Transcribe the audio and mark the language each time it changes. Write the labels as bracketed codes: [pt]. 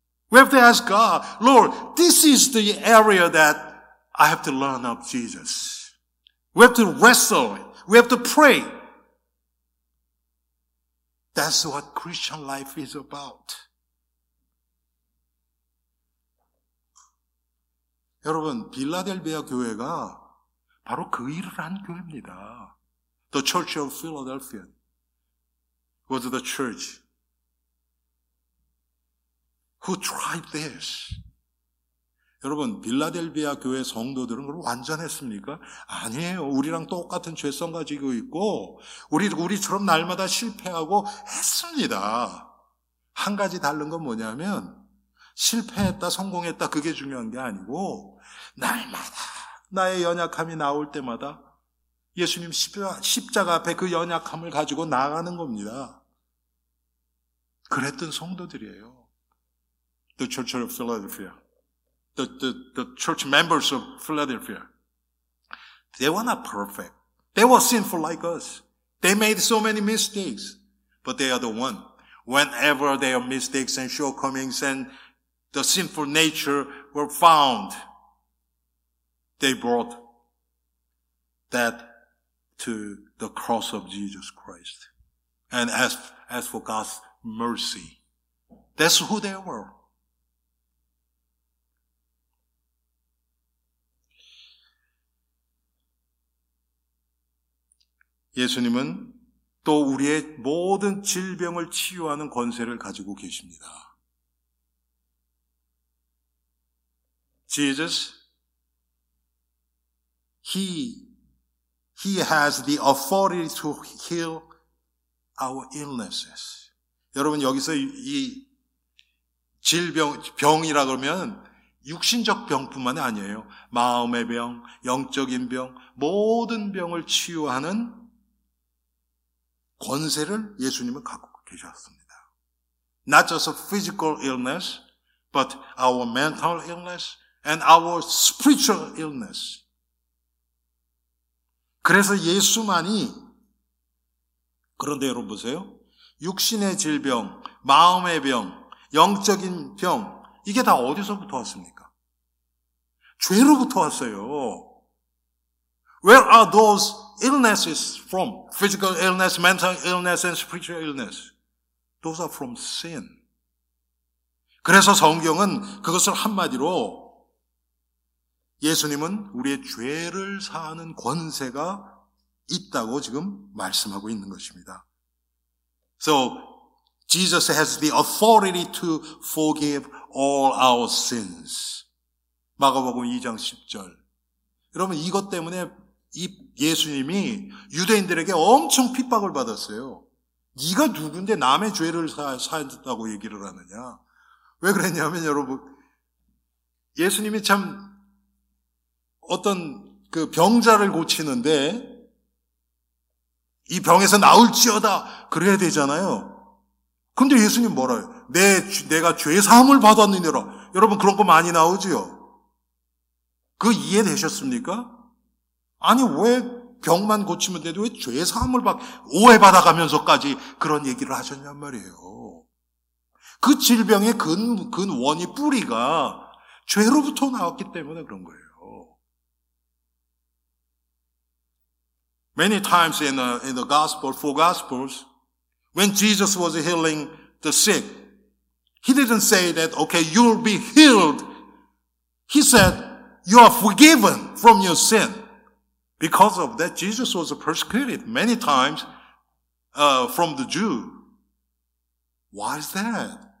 [en] We have to ask God, Lord, this is the area that I have to learn of Jesus. We have to wrestle. We have to pray. That's what Christian life is about. [ko] 여러분, 빌라델비아 교회가 바로 그 일을 한 교회입니다. [en] The Church of Philadelphia was the church who tried this. [ko] 여러분, 빌라델비아 교회 성도들은 그걸 완전했습니까? 아니에요. 우리랑 똑같은 죄성 가지고 있고 우리처럼 날마다 실패하고 했습니다. 한 가지 다른 건 뭐냐면 실패했다, 성공했다 그게 중요한 게 아니고 날마다 나의 연약함이 나올 때마다 예수님 십자가 앞에 그 연약함을 가지고 나가는 겁니다. 그랬던 성도들이에요. [en] The Church of Philadelphia. The church members of Philadelphia, they were not perfect. They were sinful like us. They made so many mistakes. But they are the one. Whenever their mistakes and shortcomings and the sinful nature were found, they brought that to the cross of Jesus Christ. And as for God's mercy, that's who they were. [ko] Yesus님은 또 우리의 모든 질병을 치유하는 권세를 가지고 계십니다. [en] Jesus, he has the authority to heal our illnesses. [ko] 여러분 여기서 이 질병 병이라 그러면 육신적 병뿐만 아니에요. 마음의 병, 영적인 병, 모든 병을 치유하는 권세를 예수님은 갖고 계셨습니다. [en] Not just a physical illness, but our mental illness and our spiritual illness. [ko] 그래서 예수만이, 그런데 여러분 보세요. 육신의 질병, 마음의 병, 영적인 병, 이게 다 어디서부터 왔습니까? 죄로부터 왔어요. [en] Where are those illnesses from? Physical illness, mental illness, and spiritual illness. Those are from sin. [ko] 그래서 성경은 그것을 한마디로 예수님은 우리의 죄를 사하는 권세가 있다고 지금 말씀하고 있는 것입니다. [en] So, Jesus has the authority to forgive all our sins. [ko] 마가복음 2장 10절. 여러분, 이것 때문에 이 예수님이 유대인들에게 엄청 핍박을 받았어요. 네가 누군데 남의 죄를 사했다고 얘기를 하느냐. 왜 그랬냐면 여러분, 예수님이 참 어떤 그 병자를 고치는데 이 병에서 나을지어다 그래야 되잖아요. 근데 예수님 뭐라 해요? 내가 죄사함을 받았느니라. 여러분 그런 거 많이 나오지요. 그거 이해되셨습니까? 아니 왜 병만 고치면 돼도 왜 죄사함을 오해받아가면서까지 그런 얘기를 하셨냔 말이에요. 그 질병의 근원이 뿌리가 죄로부터 나왔기 때문에 그런 거예요. [en] Many times in the gospel, four gospels, when Jesus was healing the sick, he didn't say that, okay, you'll be healed. He said, you are forgiven from your sin. Because of that, Jesus was persecuted many times from the Jew. Why is that?